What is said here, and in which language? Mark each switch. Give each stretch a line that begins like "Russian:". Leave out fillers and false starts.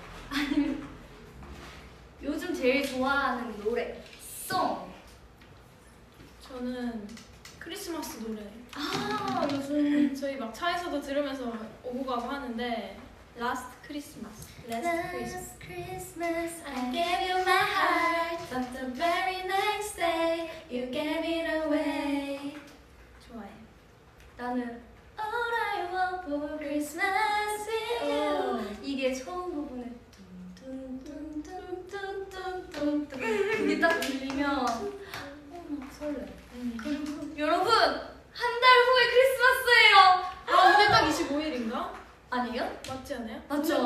Korean: 아니. 요즘 제일 좋아하는 노래. 송. 저는. 크리스마스 노래. 아, 요즘 저희 막 차에서도 들으면서 오고 가고 하는데 Last Christmas.
English: Last Christmas I gave you my heart but the very next day you gave it away.
Korean: 좋아해. 나는 All I want for Christmas is you. 이게 처음 부분에 둥둥둥둥둥둥둥둥 이게 딱 들리면 설레. 그리고 여러분 한 달 후에 크리스마스예요. 아, 오늘 딱 25일인가? 아니요? 맞지 않아요? 맞죠.